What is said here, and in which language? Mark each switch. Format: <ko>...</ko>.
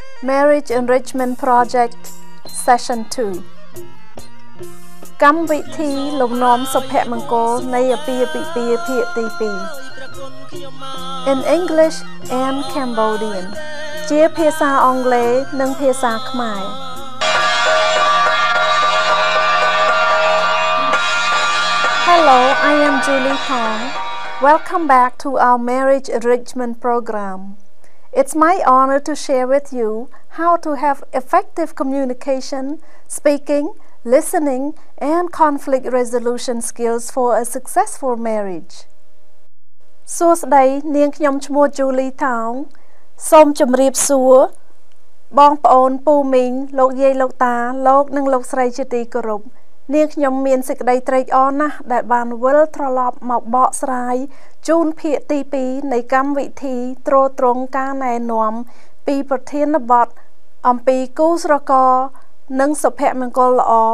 <en>Marriage Enrichment Project Session 2</en> <km>កម្មវិធីលំនាំសុភមង្គលនៃអភិបាលពីភាគទី2</km> <en>In English and Cambodian</en> <km>ជាភាសាអង់គ្លេសនិងភាសាខ្មែរ</km> <en>Hello, I am Julie Thong. Welcome back to our Marriage Enrichment Program. It's my honor to share with you how to have effective communication, speaking, listening, and conflict resolution skills for a successful marriage.</en> <km>សួស្តី នាងខ្ញុំឈ្មោះ Julie Thong. សូមជម្រាបសួរ បងប្អូន ពូមីង លោកយាយ លោកតា លោកនិង លោកស្រី ជាទីគោរពនាងខ្ញុំមានសេចក្តីត្រេកអរណាស់ដែលបានវិលត្រឡប់មកបកស្រាយជូនភាគទី2នៃកម្មវិធីត្រួតត្រងការណែនាំពីប្រធានបទអំពីគូស្រករនិងសុភមង្គលល្អ</km>